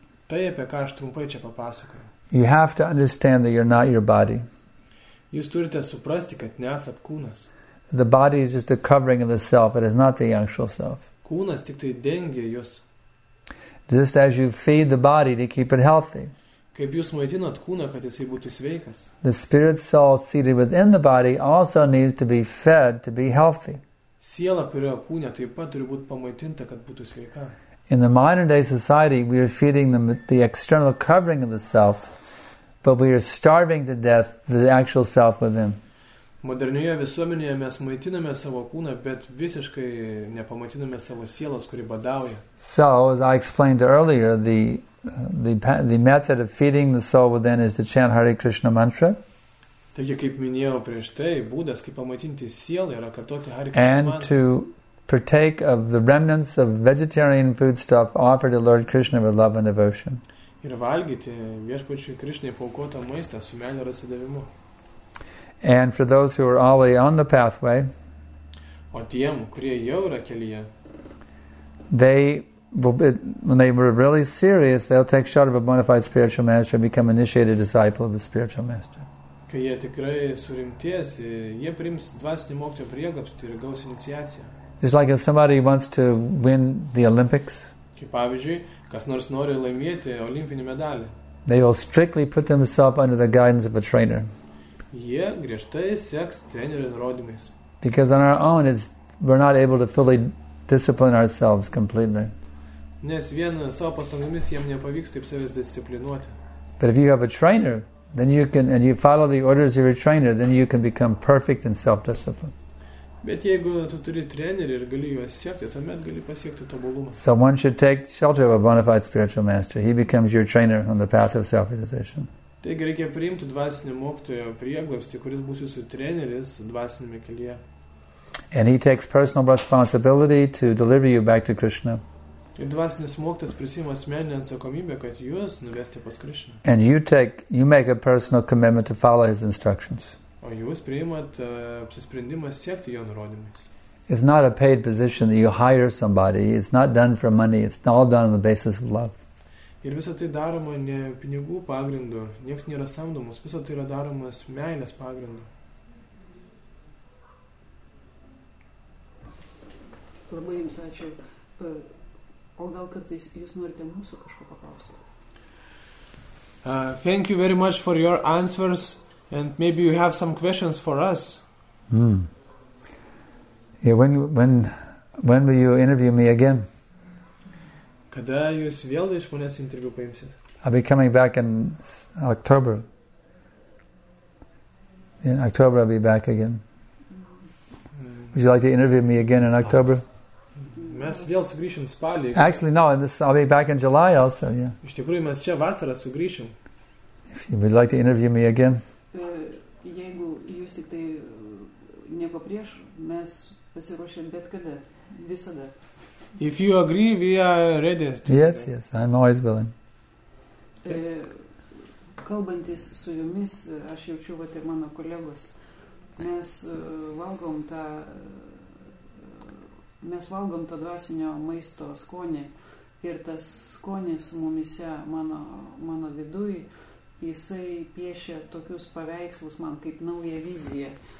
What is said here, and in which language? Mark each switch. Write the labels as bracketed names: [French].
[Lithuanian] Tai, apie ką aš trumpai čia papasakoju. [English] You have to understand that you're not your body. [Lithuanian] Jūs turite suprasti, kad nesat kūnas. [English] The body is just a covering of the self, it is not the actual self. [Lithuanian] Kūnas tik tai dengia jūs. [English] Just as you feed the body to keep it healthy. [Lithuanian] Kaip jūs maitinat kūną, kad jisai būtų sveikas. [English] The spirit soul seated within the body also needs to be fed to be healthy. [Lithuanian] Siela, kurioje kūne, taip pat turi būti pamaitinta, kad būtų sveika. [English] In the modern day society, we are feeding them the external covering of the self, but we are starving to death the actual self within. [Lithuanian] Modernioje visuomenėje mes maitiname savo kūną, bet visiškai nepamaitiname savo sielos, kuri badauja. [English] So, as I explained earlier, the method of feeding the soul within is to chant Hare Krishna mantra. [Lithuanian] Taigi, kaip minėjau prieš tai, būdas, kaip pamaitinti sielą, yra kartoti Hare Krishna mantra. [English] And to partake of the remnants of vegetarian foodstuff offered to Lord Krishna with love and devotion. [Lithuanian] Ir valgyti viešpačiui Krishnai paukotą maistą su meile ir atsidavimu. [English] And for those who are already on the pathway, [Lithuanian] o tiem, kurie jau yra kelyje, [English] when they were really serious, they'll take shelter of a bona fide spiritual master and become initiated disciple of the spiritual master. [Lithuanian] Kai jie tikrai surimties, jie priims dvasinį mokytojo prieglobstį ir gaus iniciaciją. [English] It's like if somebody wants to win the Olympics. [Lithuanian] Kaip pavyzdžiui, kas nors nori laimėti olimpinį medalį. [English] They will strictly put themselves under the guidance of a trainer. [Lithuanian] Jie griežtai seks trenerio nurodymais. [English] Because on our own, we're not able to fully discipline ourselves completely. [Lithuanian] Nes vien savo pastangomis jiem nepavyks taip savęs disciplinuoti. [English] But if you have a trainer, then you can, and you follow the orders of your trainer, then you can become perfect in self-discipline. [Lithuanian] Bet jeigu tu turi trenerį ir gali juos siekti, tuomet gali pasiekti tobulumą. [English] So one should take shelter of a bona fide spiritual master. He becomes your trainer on the path of self-realization. [Lithuanian] Taigi reikia priimti dvasinį mokytojo prieglobstį, kuris bus jūsų treneris dvasinėme kelyje. [English] And he takes personal responsibility to deliver you back to Krishna. [Lithuanian] Ir dvasinis mokytas prisima asmeninę atsakomybę, kad jūs nuvesti pas Krishna. [English] And you make a personal commitment to follow his instructions. [Lithuanian] O jūs priimat apsisprendimą siekti jo nurodymais. [English] It's not a paid position that you hire somebody. It's not done for money. It's all done on the basis of love. [Lithuanian] Ir visa tai daroma ne pinigų pagrindu. Niekas nėra samdomas. Visa tai yra daromas meilės pagrindu. Labai jums ačiū. O gal kartais jūs norite mūsų kažko paklausti? [English] Thank you very much for your answers. And maybe you have some questions for us. Mm. Yeah, when will you interview me again? [Lithuanian] Kada jūs vėl iš manęs interviu paimsit? [English] I'll be coming back in October. In October I'll be back again. Would you like to interview me again in October? [Lithuanian] Mes vėl sugrįšim spalį. [English] Actually, no, I'll be back in July also, yeah. [Lithuanian] Iš tikrųjų, mes čia vasarą sugrįšim. [English] If you would like to interview me again. [Lithuanian] Jeigu jūs tik tai nieko prieš, mes pasiruošim bet kada, visada. [English] If you agree, we are ready. Yes, yes, I'm always willing. [Lithuanian] Kalbantis su jumis, aš jaučiu, kad ir mano kolegos, mes valgom tą, mes valgom tą dvasinio maisto skonį, ir tas skonis mumise mano vidui, jisai piešia tokius paveikslus man kaip nauja vizija.